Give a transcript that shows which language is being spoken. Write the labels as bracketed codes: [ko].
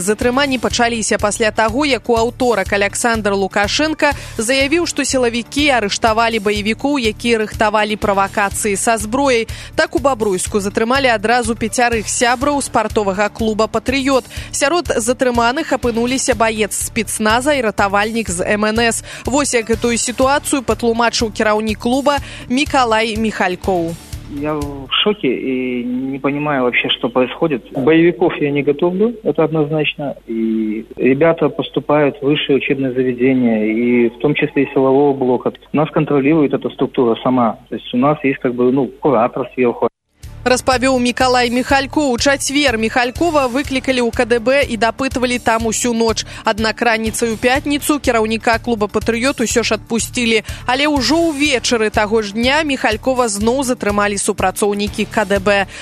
[be] Затрыманні пачаліся пасля таго, як у аўторак Аляксандр Лукашэнка заявіў, што сілавікі арыштавалі баевікоў, якія рыхтавалі правакацыі са зброяй. Так у Бабруйску затрымалі адразу пяцярых сябраў спартовага клуба «Патрыёт». Сярод затрыманых апынуліся баец спецназа і ратавальнік з МНС. Вось як гэтую сітуацыю патлумачыў кіраўнік клуба Мікалай Міхалькоў. [ru] Я в шоке и не понимаю вообще, что происходит. Боевиков я не готовлю, это однозначно. И ребята поступают в высшие учебные заведения, и в том числе и силового блока. Нас контролирует эта структура сама. То есть у нас есть как бы, ну, куратор сверху. [be] Распавёў Мікалай Міхалько. У чацвер Міхалькова выклікалі ў КДБ і дапытвалі там усю ноч. Аднак раніцай у пятніцу кіраўніка клуба «Патрыёт» усё ж адпусцілі. Але ўжо ўвечары таго ж дня Міхалькова зноў затрымалі супрацоўнікі КДБ.